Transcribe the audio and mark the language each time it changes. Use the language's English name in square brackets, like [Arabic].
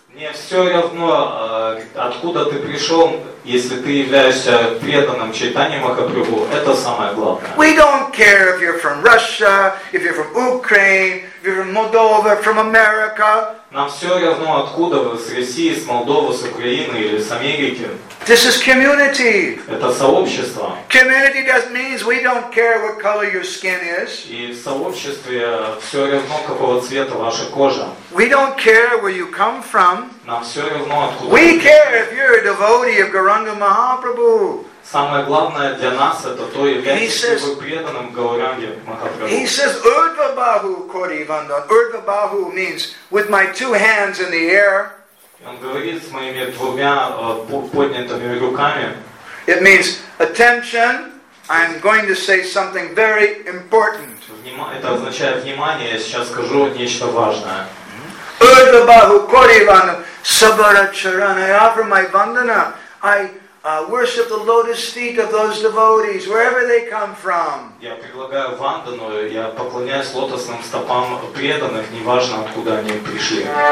[Russian] мне все равно, откуда ты пришел, если ты являешься преданным Чайтанья Махапрабху, это самое главное. [English] We don't care if you're from Russia, if you're from Ukraine, if you're from Moldova, from America. [Russian] Нам все равно, откуда вы, с России, с Молдовы, с Украины или с Америки. [English] This is community. [Russian] Это сообщество. [English] Community doesn't mean we don't care what color your skin is. [Russian] И в сообществе все равно, какого цвета ваша кожа. [English] We don't care where you come from. [Russian] Нам все равно, откуда [English] we care if you're a devotee of Gauranga Mahaprabhu. [Russian] Самое главное для нас это то, являетесь ли вы преданным Гауранге Махапрабху. [English] He says, [Bangla] Urdhva Bahu Kori Vandan. [English] Urdhva Bahu means with my two hands in the air. [Russian] Он говорит с моими двумя поднятыми руками. [English] It means attention. I'm going to say something very important. [Russian] Это означает внимание. Я сейчас скажу нечто важное. [Bangla] Urdhva Bahu Kori Vandan. Sabara Charana. [English] I offer my Vandana. I worship the lotus feet of those devotees wherever they come from. [Russian] Я предлагаю вандану, я поклоняюсь лотосным стопам преданных, неважно откуда они пришли.